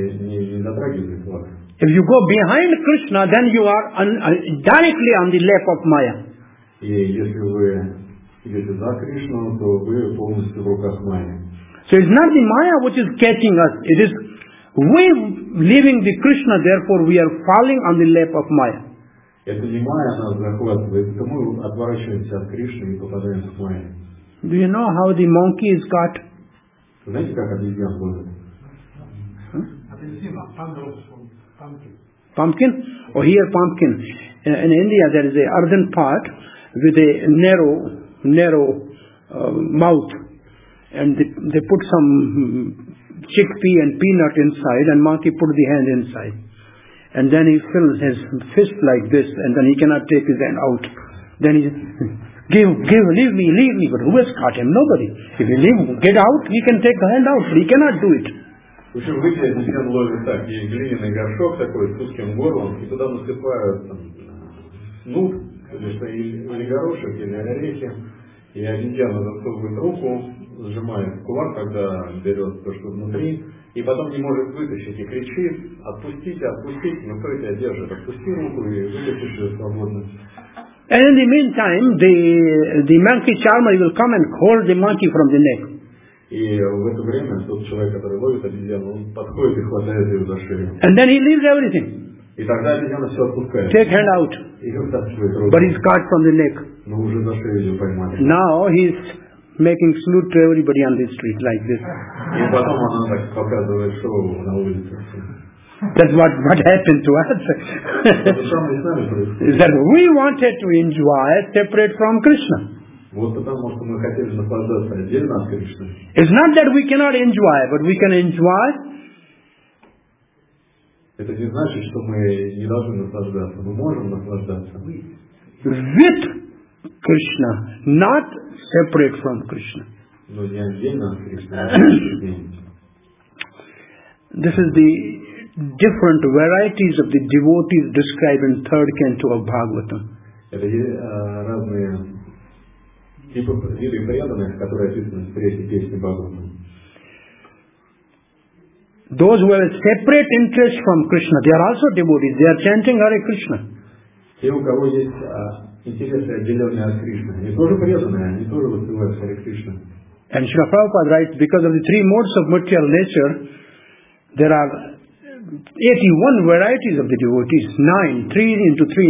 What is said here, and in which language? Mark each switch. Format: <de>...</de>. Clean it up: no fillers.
<en>If you go behind Krishna, then you are directly on the lap of Maya.</en> <ru>Если за Кришну, то вы полностью в руках Майи.</ru> <en>So it's not the Maya which is catching us. It is we leaving the Krishna, therefore we are falling on the lap of Maya.</en> <ru>Это не Майя нас захватывает, это мы отворачиваемся от Кришны и попадаем в Майю.</ru> <en>Do you know how the monkey is caught?</en> <ru>Знаете, как обезьян будет? Апельсин, пампкин.</ru> <en>Pumpkin? Oh, here pumpkin. In India there is an earthen pot with a narrow mouth, and they put some chickpea and peanut inside, and monkey put the hand inside, and then he fills his fist like this, and then he cannot take his hand out. Then he says, leave me, but who has caught him? Nobody. If he leave, get out, he can take the hand out, but he cannot do it.</en> <ru>В общем, выйти из себя ловит так, есть глиняный горшок такой, с узким горлом, и туда наступают нут, или горошек, или орехи, и обезьяна засовывает руку, сжимает кулак, когда берет то, что внутри, и потом не может вытащить, и кричит: отпустите, отпустите, но кто тебя держит? Отпусти руку и вытащишь ее свободно.</ru> <en>And in the meantime, the monkey charmer will come and hold the monkey from the neck.</en> <ru>И в это время тот человек, который ловит обезьяну, он подходит и хватает ее за шею.</ru> <en>And then he leaves everything.</en> <ru>И тогда обезьяна все отпускает.</ru> <en>Take hand out.</en> <ru>И он тащит руку.</ru> <en>But he's caught from the neck.</en> <ru>Но уже за шею ее поймали.</ru> <en>Now he's making salute to everybody on the street like this.</en> <ru>И потом она так показывает шоу на улице.</ru> <en>That's what happened to us. Is that we wanted to enjoy separate from Krishna.</en> <ru>Вот потому что мы хотели наслаждаться отдельно от Кришны.</ru> <en>It's not that we cannot enjoy, but we can enjoy.</en> <ru>Это не значит, что мы не должны наслаждаться. Мы можем наслаждаться.</ru> <en>With Krishna, not separate from Krishna.</en> <ru>Но не отдельно от Кришны.</ru> <en>This is the different varieties of the devotees described in third canto of Bhagavatam.</en> <ru>Это разные виды преданных, которые описаны в третьей песне Бхагаватам.</ru> <en>Those who have a separate interest from Krishna, they are also devotees. They are chanting Hare Krishna.</en> <ru>Те, у кого есть интересы отделенные от Кришны, они тоже преданные, они тоже воспевают Hare Krishna.</ru> <en>And Srila Prabhupada writes, because of the three modes of material nature, there are 81 varieties of the devotees. 9 × 3 = 9, 9 × 9 = 81.</en>